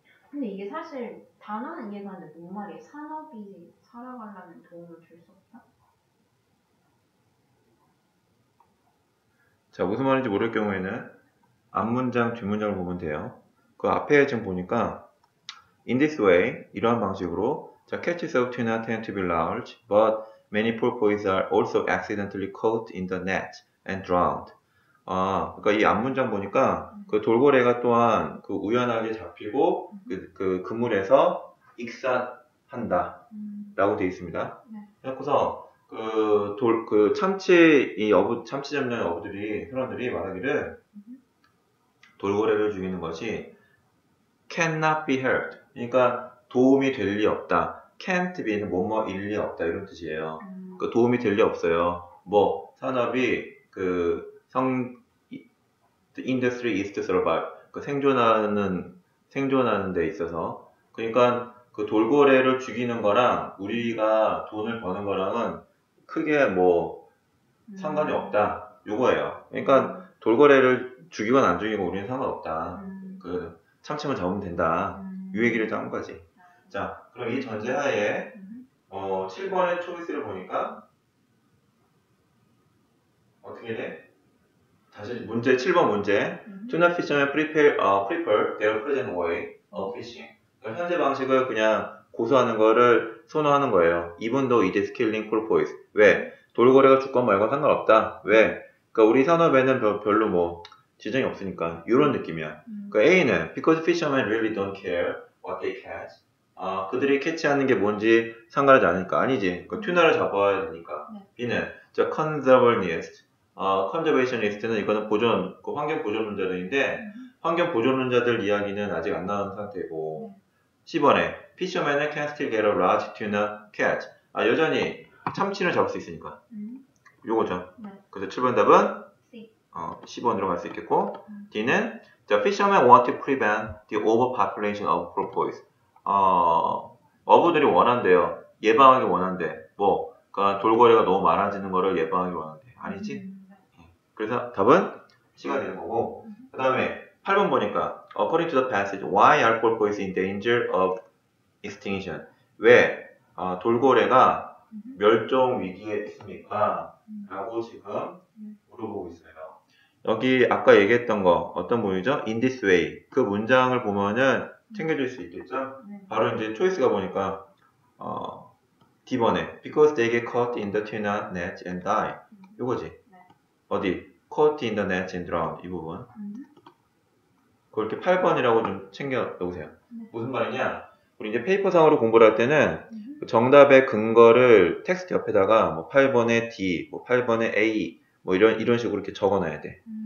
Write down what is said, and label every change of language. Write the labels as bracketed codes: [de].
[ko] 근데 이게 사실 단어는 이해가 안 돼. 뭔 말이야? 산업이 살아가려면 도움을 줄 수 없다? 자, 무슨 말인지 모를 경우에는 앞문장, 뒷문장을 보면 돼요. 그 앞에 지금 보니까 [en] In this way, [ko] 이러한 방식으로 자, [en] catches of tuna tend to be large, but many porpoises are also accidentally caught in the net and drowned. [ko] 아, 그러니까 이 앞문장 보니까 그 돌고래가 또한 그 우연하게 잡히고 그 그물에서 익사한다 라고 되어 있습니다. 네. 그래서 그 참치 이 어부 참치 잡는 어부들이 사람들이 말하기를 돌고래를 죽이는 것이 [en] cannot be helped. [ko] 그러니까 도움이 될 리 없다. can't be는 뭐뭐 일 리 없다 이런 뜻이에요. 그 도움이 될 리 없어요. 뭐 산업이 그 [en] the industry is to survive. [ko] 그 생존하는 데 있어서. 그러니까 그 돌고래를 죽이는 거랑 우리가 돈을 버는 거랑은 크게 뭐 상관이 없다. 요거예요. 그러니까 돌고래를 죽이건 안 죽이건 우리는 상관없다. 그 참치만 잡으면 된다. 이 얘기를 한 거지. 자, 그럼 이 전제하에 7번의 초이스를 보니까 어떻게 돼? [en] 다시 문제 7번 문제 tuna fishermen prefer their present way of fishing [ko] 그러니까 현재 방식을 그냥 고수하는 거를 선호하는 거예요 [en] even though it is killing porpoise 왜? [ko] 돌고래가 죽건 말건 상관없다 왜? 그러니까 우리 산업에는 별로 뭐 지장이 없으니까 이런 느낌이야 그러니까 A는 [en] because fishermen really don't care what they catch [ko] 그들이 캐치하는 게 뭔지 상관하지 않으니까 아니지 그러니까 tuna를 잡아야 되니까 네. B는 the conservationist conservationist는 이거는 보존, 그 환경 보존 론자들인데 환경 보존 론자들 이야기는 아직 안 나온 상태고 10번에 [en] fishermen can still get a large tuna catch [ko] 아 여전히 참치를 잡을 수 있으니까 요거죠 그래서 7번 답은 10번으로 갈 수 있겠고 D는 [en] the fishermen want to prevent the overpopulation of porpoise [ko] 어부들이 원한대요 예방하기 원한대 뭐 그러니까 돌고래가 너무 많아지는 거를 예방하기 원한대 아니지? 그래서 답은 C가 되는 거고 그 다음에 8번 보니까 [en] According to the passage, why are porpoise in danger of extinction? [ko] 왜 돌고래가 멸종 위기에 있습니까? 라고 지금 물어보고 있어요 여기 아까 얘기했던 거 어떤 부분이죠? In this way 그 문장을 보면은 챙겨줄 수 있겠죠? 바로 이제 초이스가 보니까 D번에 [en] Because they get caught in the tuna net and die 이거지 어디? Caught in the net and drowned [ko] 이 부분 그렇게 8번이라고 좀 챙겨놓으세요 무슨 말이냐 우리 이제 페이퍼상으로 공부를 할 때는 정답의 근거를 텍스트 옆에다가 뭐 8번에 D, 뭐 8번에 A 뭐 이런 식으로 이렇게 적어놔야 돼